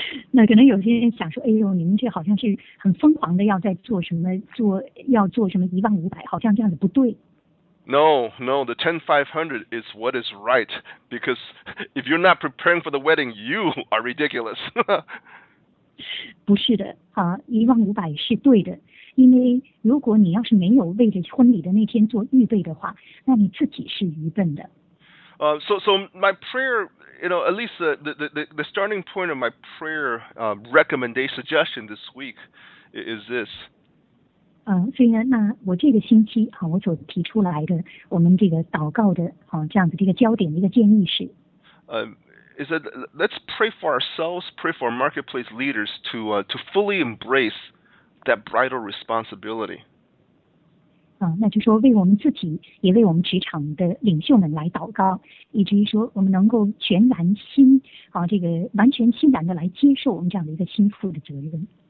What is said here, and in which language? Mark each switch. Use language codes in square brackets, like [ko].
[zh] 那可能有些人想说，哎呦，你们这好像是很疯狂的要在做什么，做要做什么15,000，好像这样子不对。 [en] No, no, the 10,500 is what is right, because if you're not preparing for the wedding, you are ridiculous. [zh] 不是的，15,000是对的，因为如果你要是没有为着婚礼的那天做预备的话，那你自己是愚笨的。 [en] So my prayer, you know, at least the starting point of my prayer recommendation suggestion this week is this. [zh] 所以呢，那我这个星期我所提出来的我们这个祷告的这样子这个焦点的一个建议是。 [en] Is that let's pray for ourselves, pray for our marketplace leaders to fully embrace that bridal responsibility. [zh] 那就说为我们自己，也为我们职场的领袖们来祷告，以至于说我们能够全然心这个完全欣然的来接受我们这样的一个心腹的责任。